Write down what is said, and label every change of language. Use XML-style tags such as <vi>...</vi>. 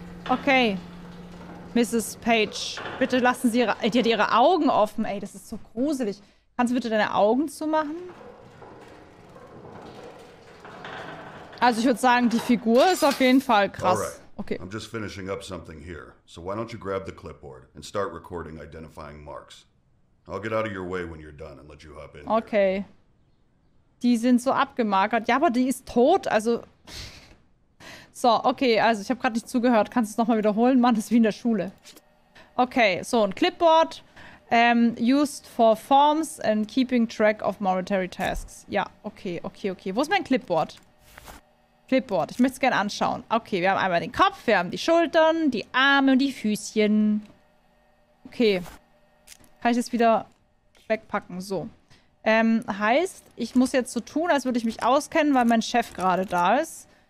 <de>Okay. Mrs. Page, bitte lassen Sie Ihre... Die hat Ihre Augen offen, ey. Das ist so gruselig. Kannst du bitte deine Augen zumachen? Also ich würde sagen, die Figur ist auf jeden Fall krass. Okay.</de> <en>I'm just finishing up something here, so why don't you grab the clipboard and start recording identifying marks. I'll get out of your way when you're done and let you hop in. Okay. Here.</en> <de>Die sind so abgemagert. Ja, aber die ist tot, also... So, okay, also ich habe gerade nicht zugehört. Kannst du es nochmal wiederholen? Mann, das ist wie in der Schule. Okay, so ein Clipboard.</de> <en>Used for forms and keeping track of monetary tasks.</en> <de>Ja, okay, okay, okay. Wo ist mein Clipboard? Clipboard, ich möchte es gerne anschauen. Okay, wir haben einmal den Kopf, wir haben die Schultern, die Arme und die Füßchen. Okay. Kann ich das wieder wegpacken? So. Heißt, ich muss jetzt so tun, als würde ich mich auskennen, weil mein Chef gerade da ist.</de>